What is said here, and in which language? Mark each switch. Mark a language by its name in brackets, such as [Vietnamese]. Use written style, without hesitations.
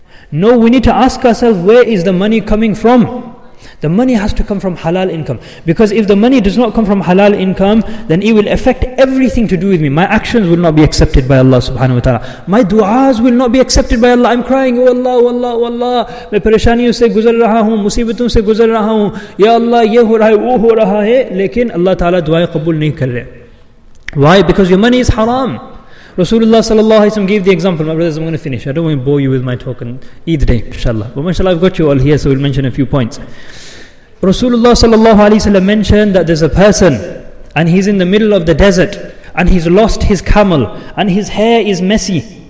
[English] No, we need to ask ourselves, where is the money coming from? The money has to come from halal income. Because if the money does not come from halal income, then it will affect everything to do with me. My actions will not be accepted by Allah subhanahu wa ta'ala. My du'as will not be accepted by Allah. I'm crying, oh Allah, oh Allah, oh Allah. [Urdu] میں پریشانیوں سے گزر رہا ہوں، مصیبتوں سے گزر رہا ہوں۔ یا اللہ، یہ ہو رہا ہے، وہ ہو رہا ہے۔ لیکن اللہ تعالیٰ دعائیں قبول نہیں کر رہے۔ [English] Why? Because your money is haram. Rasulullah sallallahu alayhi wa sallam gave the example. My brothers, I'm going to finish. I don't want to bore you with my talk on Eid day, inshallah. But mashallah, I've got you all here, so we'll mention a few points. Rasulullah sallallahu alayhi wa sallam mentioned that there's a person, and he's in the middle of the desert, and he's lost his camel, and his hair is messy.